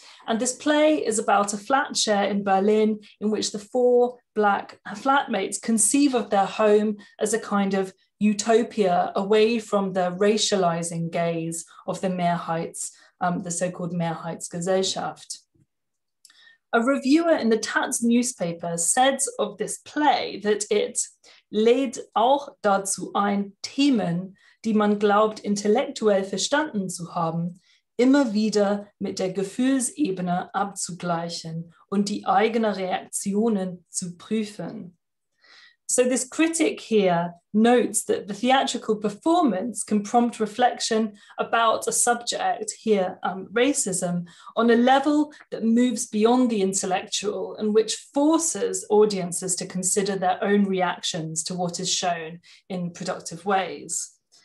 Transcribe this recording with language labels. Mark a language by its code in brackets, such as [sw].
[en] And this play is about a flat share in Berlin in which the four black flatmates conceive of their home as a kind of utopia away from the racializing gaze of the Mehrheits, the so-called Mehrheitsgesellschaft. A reviewer in the Taz newspaper said of this play that it [de] lädt auch dazu ein, Themen, die man glaubt intellektuell verstanden zu haben, immer wieder mit der Gefühlsebene abzugleichen und die eigenen Reaktionen zu prüfen. [en] So this critic here notes that the theatrical performance can prompt reflection about a subject, here racism, on a level that moves beyond the intellectual and which forces audiences to consider their own reactions to what is shown in productive ways.